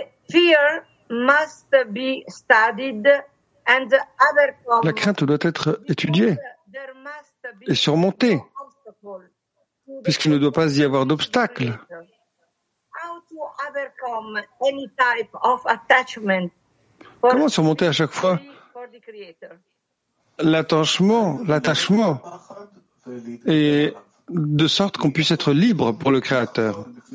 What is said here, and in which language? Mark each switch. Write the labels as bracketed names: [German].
[English] Fear must be studied and overcome. [French] La crainte doit être étudiée et surmontée, puisqu'il ne doit pas y avoir d'obstacle. [English] How to overcome any type of attachment? [French] Comment surmonter à chaque fois l'attachement et de sorte qu'on puisse être libre pour le Créateur.